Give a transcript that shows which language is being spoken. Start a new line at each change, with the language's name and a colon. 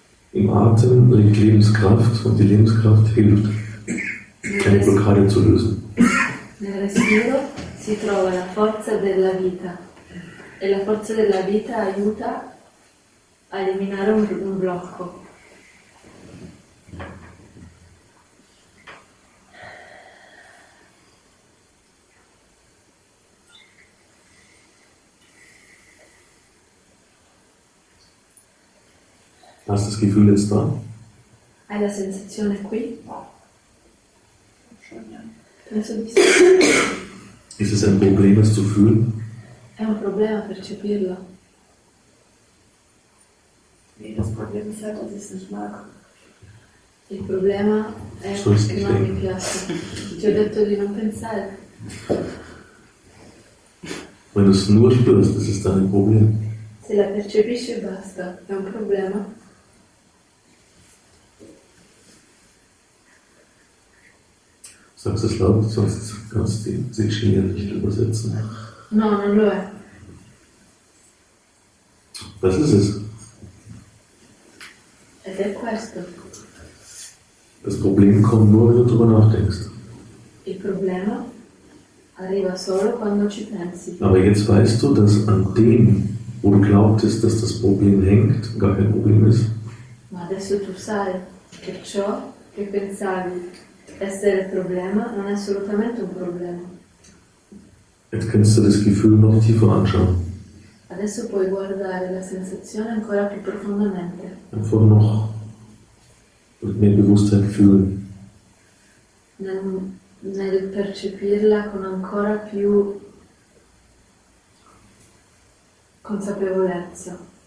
German: Im Atem liegt Lebenskraft und die Lebenskraft hilft, eine Blockade zu lösen.
Italian: Nel respiro si trova la forza della vita e la forza della vita aiuta a eliminare un blocco.
German: Hast du das Gefühl jetzt da?
Italian: Hai la sensazione qui?
German: Ist es ein Problem, es zu fühlen?
Italian: È un problema percepirlo.
German: Nee, das Problem ist halt, dass ich es nicht mag.
Italian: Il problema è che non mi piace. Ti ho detto di non pensare.
German: Wenn du es nur spürst, ist es dann ein Problem.
Italian: Se la percepisci, basta. È un problema.
German: Sagst du es laut, sonst kannst du die Schiene nicht übersetzen.
Italian: No, non lo è.
German: Was ist es?
Italian: Ed è questo.
German: Das Problem kommt nur, wenn du darüber nachdenkst.
Italian: Il problema arriva solo quando ci pensi.
German: Aber jetzt weißt du, dass an dem, wo du glaubtest, dass das Problem hängt, gar kein Problem ist.
Italian: Ma adesso tu sai che ciò che pensavi essere problema non è assolutamente un problema.
German: Jetzt kannst du das Gefühl noch tiefer anschauen.
Italian: Adesso puoi guardare la sensazione ancora più profondamente.
German: Einfach noch mit mehr Bewusstsein fühlen.
Italian: Nel percepirla con ancora più consapevolezza.